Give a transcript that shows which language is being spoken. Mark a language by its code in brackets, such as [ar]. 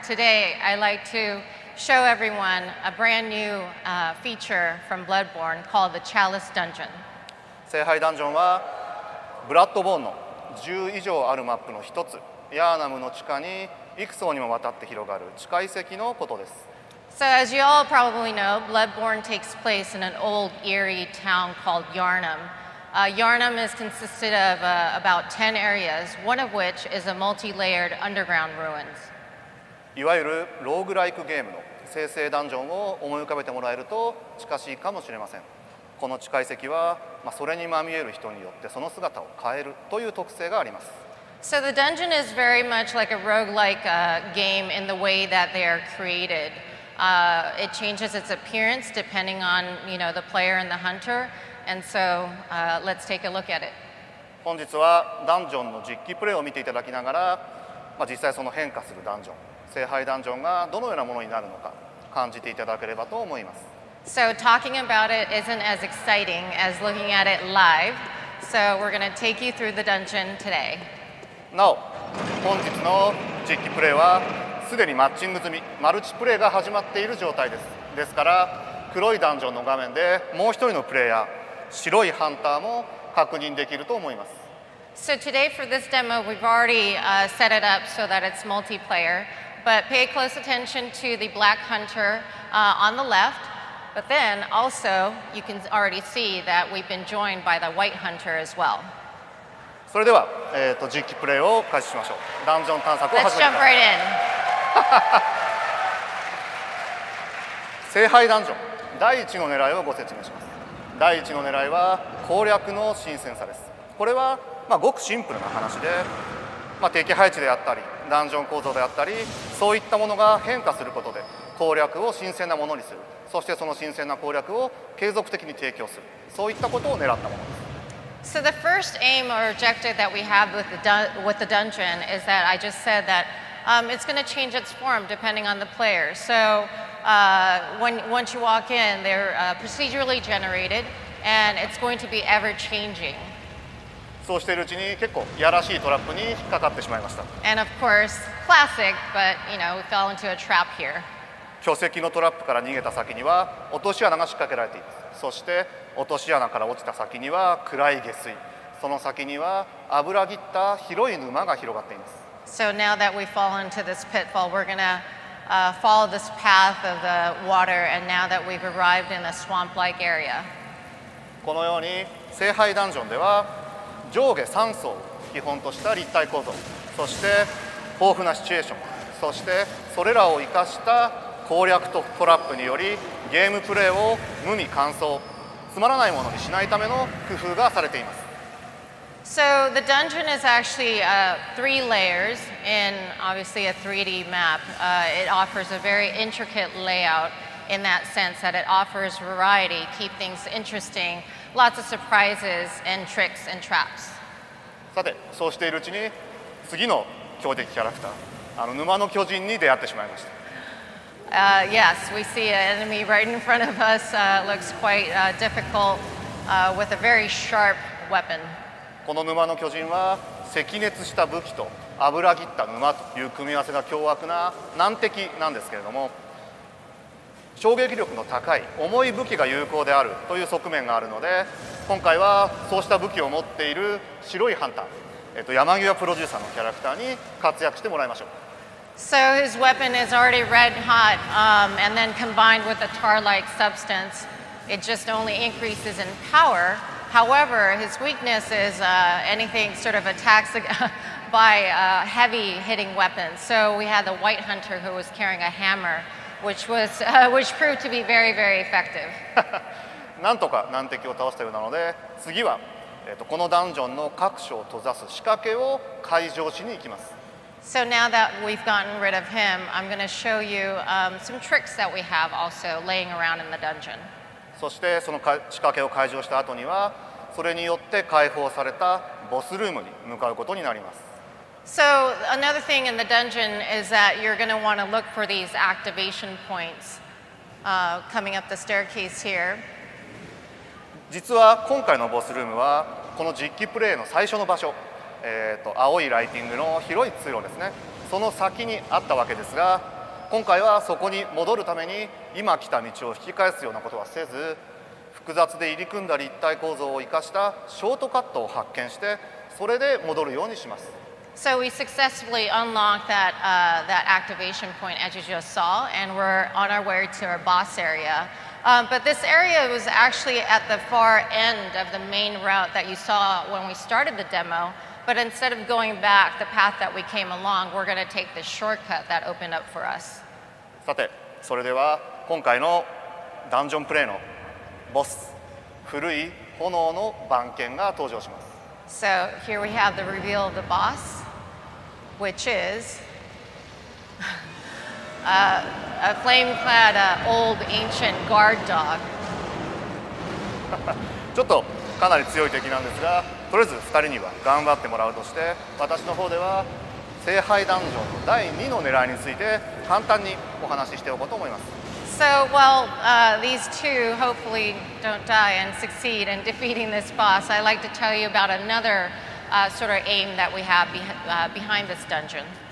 [en] Today, I'd like to show everyone a brand new feature from Bloodborne called the Chalice Dungeon. [ja] 聖杯ダンジョンは、ブラッドボーンの10以上あるマップの一つ、ヤーナムの地下に幾層にもわたって広がる地下遺跡のことです。 [en] So as you all probably know, Bloodborne takes place in an old, eerie town called Yharnam. Yharnam is consisted of about 10 areas, one of which is a multi-layered underground ruins. [ja] いわゆるローグライクゲームの生成ダンジョンを思い浮かべてもらえると近しいかもしれません。この地下遺跡は、まあ、それにまみえる人によってその姿を変えるという特性があります。 [en] So the dungeon is very much like a roguelike game in the way that they are created. It changes its appearance depending on, you know, the player and the hunter. And so, let's take a look at it. [ja] 本日はダンジョンの実機プレイを見ていただきながら、まあ、実際その変化するダンジョン、聖杯ダンジョンがどのようなものになるのか感じていただければと思います。 [en] So talking about it isn't as exciting as looking at it live. So we're going to take you through the dungeon today. [ja] なお、本日の実機プレイはすでにマッチング済み、マルチプレイが始まっている状態です。ですから、黒いダンジョンの画面でもう一人のプレイヤー、白いハンターも確認できると思います。 [en] So today for this demo, we've already set it up so that it's multiplayer. But pay close attention to the black hunter on the left. But then also, you can already see that we've been joined by the white hunter as well. [ja] それでは、実機プレイを開始しましょう。ダンジョン探索を始めます。 [en] Let's jump right in. [ja] 聖杯ダンジョン、第一の狙いをご説明します。第一の狙いは攻略の新鮮さです。これは、まあ、ごくシンプルな話で、まあ、敵配置であったり、ダンジョン構造であったり、そういったものが変化することで攻略を新鮮なものにする。そしてその新鮮な攻略を継続的に提供する。そういったことを狙ったものです。 [en] So the first aim or objective that we have with the dungeon is that I just said that it's going to change its form depending on the player. So once you walk in, they're procedurally generated and it's going to be ever changing. [ja] そうしているうちに結構やらしいトラップに引っかかってしまいました。 [en] And of course, classic, but you know, we fell into a trap here. [ja] 巨石のトラップから逃げた先には落とし穴が仕掛けられています。そして落とし穴から落ちた先には暗い下水、その先には油ぎった広い沼が広がっています。 [en] So now that we've fallen into this pitfall, we're gonna follow this path of the water, and now that we've arrived in a swamp-like area. [ja] このように聖杯ダンジョンでは上下3層を基本とした立体構造、そして豊富なシチュエーション、そしてそれらを生かした攻略とトラップによりゲームプレイを無味乾燥、つまらないものにしないための工夫がされています。 [en] So the dungeon is actually three layers in obviously a 3D map. It offers a very intricate layout in that sense that it offers variety, keep things interesting, lots of surprises and tricks and traps. [ja] さて、そうしているうちに次の強敵キャラクター、あの沼の巨人に出会ってしまいました。 [en] Yes, we see an enemy right in front of us. Looks quite difficult with a very sharp weapon. [ja] この沼の巨人は、赤熱した武器と油切った沼という組み合わせが凶悪な難敵なんですけれども、衝撃力の高い重い武器が有効であるという側面があるので、今回はそうした武器を持っている白いハンター、山際プロデューサーのキャラクターに活躍してもらいましょう。 [en] So his weapon is already red hot, and then combined with a tar-like substance, it just only increases in power. However, his weakness is anything sort of attacks by heavy hitting weapons. So we had the white hunter who was carrying a hammer, which proved to be very, very effective. [ja] なんとか難敵を倒したようなので、次は、このダンジョンの各所を閉ざす仕掛けを解錠しに行きます。 [en] So now that we've gotten rid of him, I'm going to show you some tricks that we have also laying around in the dungeon. [ja] そしてその仕掛けを解除した後には、それによって解放されたボスルームに向かうことになります。 [en] So another thing in the dungeon is that you're going to want to look for these activation points coming up the staircase here. [ja] 実は今回のボスルームは、この実機プレイの最初の場所。青いライティングの広い通路ですね。その先にあったわけですが、今回はそこに戻るために今来た道を引き返すようなことはせず、複雑で入り組んだ立体構造を生かしたショートカットを発見して、それで戻るようにします。 [en] So we successfully unlocked that that activation point, as you just saw, and we're on our way to our boss area. But this area was actually at the far end of the main route that you saw when we started the demo. But instead of going back the path that we came along, we're going to take the shortcut that opened up for us. [ja] さて、それでは今回のダンジョンプレイのボス、古い炎の番犬が登場します。 [en] So here we have the reveal of the boss, which is a flame-clad old ancient guard dog. [ja] ちょっとかなり強い敵なんですが、とりあえず2人には頑張ってもらうとして、私の方では聖杯ダンジョンの第2の狙いについて簡単にお話ししておこうと思います。 [en] So, well, these two hopefully don't die and succeed in defeating this boss. I'd like to tell you about another sort of aim that we have behind this dungeon.